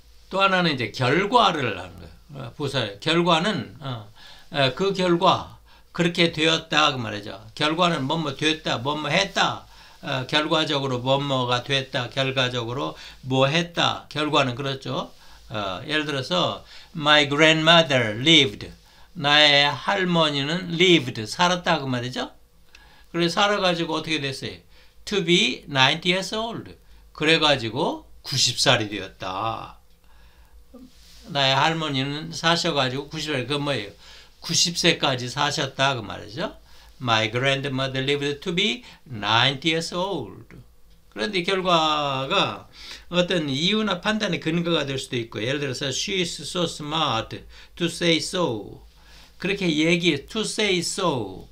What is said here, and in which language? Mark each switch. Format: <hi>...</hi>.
<ko>또 하나는 이제 결과를 하는 거예요. 부사적 결과는 그 결과 그렇게 되었다 그 말이죠. 결과는 뭐뭐 됐다, 뭐뭐 했다. 결과적으로 뭐뭐가 됐다, 결과적으로 뭐 했다. 결과는 그렇죠.</ko> <en>예를 들어서 my grandmother lived.</en> <ko>나의 할머니는 lived, 살았다 그 말이죠. 그래 살아 가지고 어떻게 됐어요?</ko> <en>to be 90 years old.</en> <ko>그래 가지고 90살이 되었다. 나의 할머니는 사셔 가지고 90살. 그 뭐예요? 90세까지 사셨다 그 말이죠.</ko> <en>My grandmother lived to be 90 years old.</en> <ko>그런데 결과가 어떤 이유나 판단의 근거가 될 수도 있고, 예를 들어서</ko> <en>she is so smart to say so. 그렇게 얘기 to say so.</en>